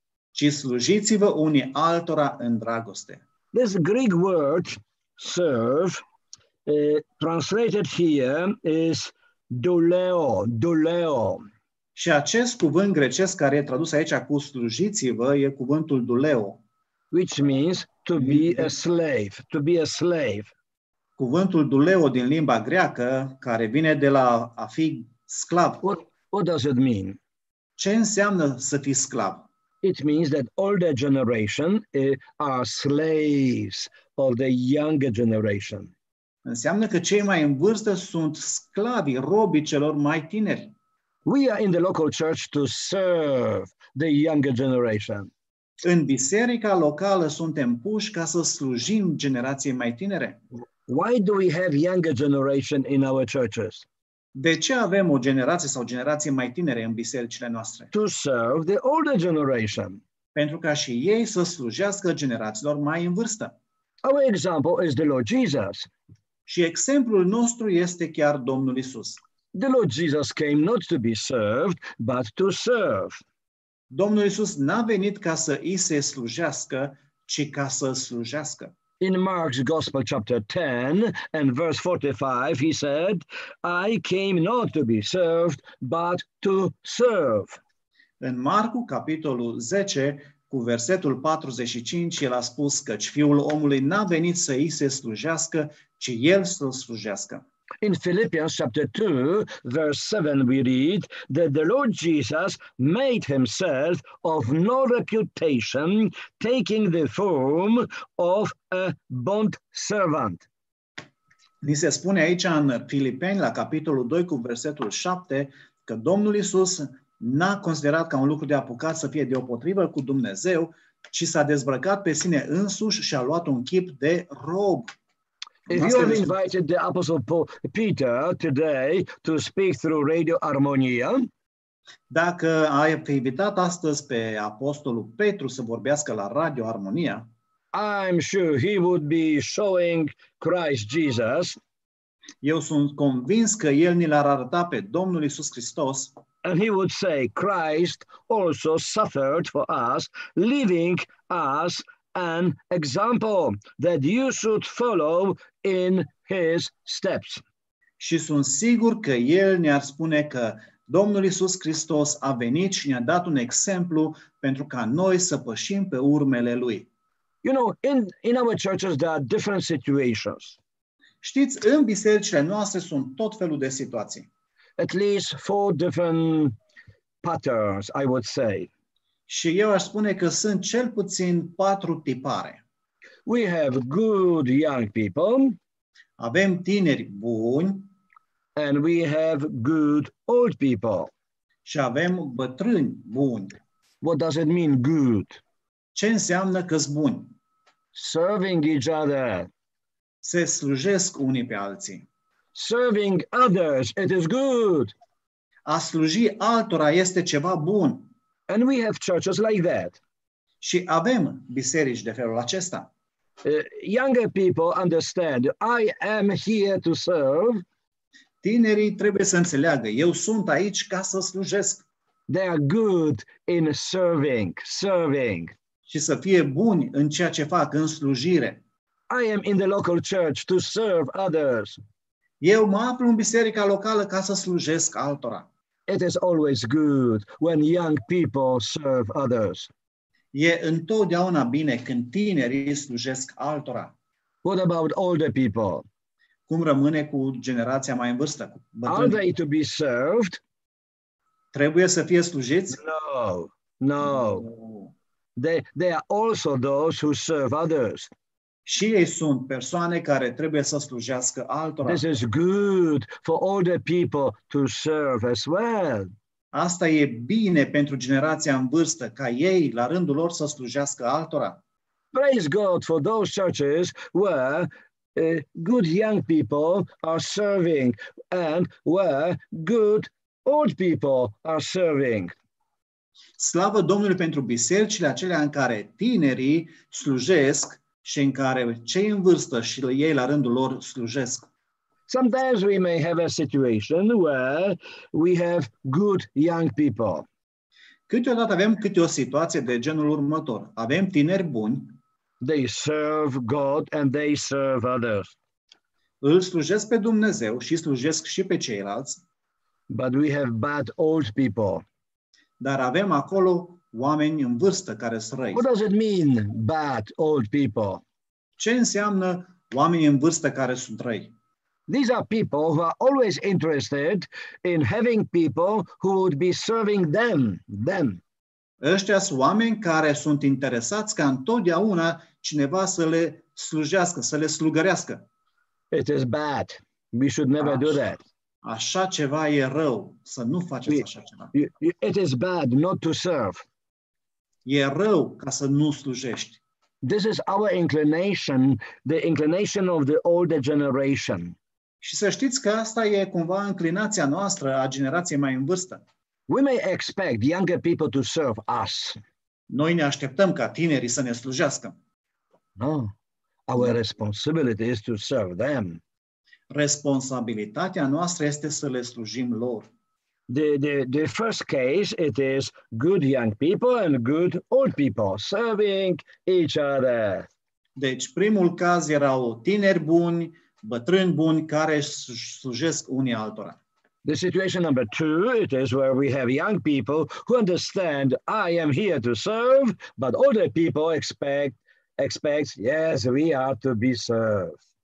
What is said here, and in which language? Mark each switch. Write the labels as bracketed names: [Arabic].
[Romanian] Ci slujiți-vă unii altora în dragoste. [English] This Greek word, serve, translated here is douleo, douleo. [Romanian] Și acest cuvânt grecesc care e tradus aici cu slujiți-vă e cuvântul douleo, [English] which means to be a slave, to be a slave. [Romanian] Cuvântul douleo din limba greacă care vine de la a fi sclav. [English] What does it mean? [Romanian] Ce înseamnă să fii sclav? [English] It means that older generation are slaves of the younger generation. [Romanian] Înseamnă că cei mai în vârstă sunt sclavi, robi celor mai tineri. [English] We are in the local church to serve the younger generation. [Romanian] În biserica locală suntem puși ca să slujim generației mai tinere. [English] Why do we have younger generation in our churches? [Romanian] De ce avem o generație sau generație mai tinere în bisericile noastre? [English] To serve the older generation. [Romanian] Pentru ca și ei să slujească generațiilor mai în vârstă. [English] Our example is the Lord Jesus. [Romanian] Și exemplul nostru este chiar Domnul Iisus. [English] The Lord Jesus came not to be served, but to serve. [Romanian] Domnul Iisus n-a venit ca să îi se slujească, ci ca să slujească. [English] In Mark's Gospel chapter 10 and verse 45 he said, I came not to be served, but to serve. [Romanian] În Marcu capitolul 10 cu versetul 45 el a spus că fiul omului n-a venit să îi se slujească, ci el să slujească. [English] In Philippians chapter 2 verse 7 we read that the Lord Jesus made himself of no reputation, taking the form of a bond servant. [Romanian] Ni se spune aici în Filipeni la capitolul 2 cu versetul 7 că Domnul Iisus n-a considerat ca un lucru de apucat să fie deopotrivă cu Dumnezeu, ci s-a dezbrăcat pe sine însuși și a luat un chip de rob. [English] If you have invited the Apostle Paul Peter today to speak through Radio Armonia, [Romanian] dacă ai invitat astăzi pe Apostolul Petru să vorbească la Radio Armonia, [English] I'm sure he would be showing Christ Jesus. [Romanian] Eu sunt convins că el ni l-ar arăta pe Domnul Iisus Hristos. [English] And he would say, Christ also suffered for us, leaving us an example that you should follow in his steps. [Romanian] Și sunt sigur că el ne-ar spune că Domnul Iisus Hristos a venit și ne-a dat un exemplu pentru ca noi să pășim pe urmele lui. [English] You know, in our churches there are different situations. [Romanian] Știți, în bisericile noastre sunt tot felul de situații. [English] At least four different patterns, I would say. [Romanian] Și eu aș spune că sunt cel puțin patru tipare. [English] We have good young people. [Romanian] Avem tineri buni. [English] And we have good old people. [Romanian] Și avem bătrâni buni. [English] What does it mean, good? [Romanian] Ce înseamnă că-s buni? [English] Serving each other. [Romanian] Se slujesc unii pe alții. [English] Serving others, it is good. [Romanian] A sluji altora este ceva bun. [English] And we have churches like that. [Romanian] Și avem biserici de felul acesta. [English] Younger people understand, I am here to serve. [Romanian] Tinerii trebuie să înțeleagă, eu sunt aici ca să slujesc. [English] They are good in serving. [Romanian] Și să fie buni în ceea ce fac, în slujire. [English] I am in the local church to serve others. [Romanian] Eu mă aflu în biserica locală ca să slujesc altora. [English] It is always good when young people serve others. [Romanian] E întotdeauna bine când tinerii slujesc altora. [English] What about older people? [Romanian] Cum rămâne cu generația mai în vârstă? [English] Are they to be served? [Romanian] Trebuie să fie slujiți? [English] No. They are also those who serve others. [Romanian] Și ei sunt persoane care trebuie să slujească altora. [English] This is good for older people to serve as well. [Romanian] Asta e bine pentru generația în vârstă, ca ei, la rândul lor, să slujească altora. [English] Praise God for those churches where good young people are serving and where good old people are serving. [Romanian] Slavă Domnului pentru bisericile acelea în care tinerii slujesc și în care cei în vârstă și ei la rândul lor slujesc. [English] Sometimes we may have a situation where we have good young people. [Romanian] Câteodată avem câte o situație de genul următor. Avem tineri buni. [English] They serve God and they serve others. [Romanian] Îl slujesc pe Dumnezeu și slujesc și pe ceilalți. [English] But we have bad old people. [Romanian] Dar avem acolo oameni în vârstă care sunt răi. [English] What does it mean, bad old people? [Romanian] Ce înseamnă oameni în vârstă care sunt răi? [English] These are people who are always interested in having people who would be serving them. [Romanian] Ăștia sunt oameni care sunt interesați ca întotdeauna cineva să le slujească, să le slugărească. [English] It is bad. We should never do that. [Romanian] Așa ceva e rău. Să nu faceți așa ceva. [English] It is bad not to serve. [Romanian] E rău ca să nu slujești. [English] This is our inclination, the inclination of the older generation. [Romanian] Și să știți că asta e cumva înclinația noastră a generației mai în vârstă. [English] We may expect younger people to serve us. [Romanian] Noi ne așteptăm ca tinerii să ne slujească. [English] No. Our responsibility is to serve them. [Romanian] Responsabilitatea noastră este să le slujim lor. [English] The first case, it is good young people and good old people serving each other. [Romanian] Deci primul caz erau tineri buni, bătrâni buni care slujesc unii altora. [English] The situation number two, it is where we have young people who understand I am here to serve, but older people expect yes, we are to be served.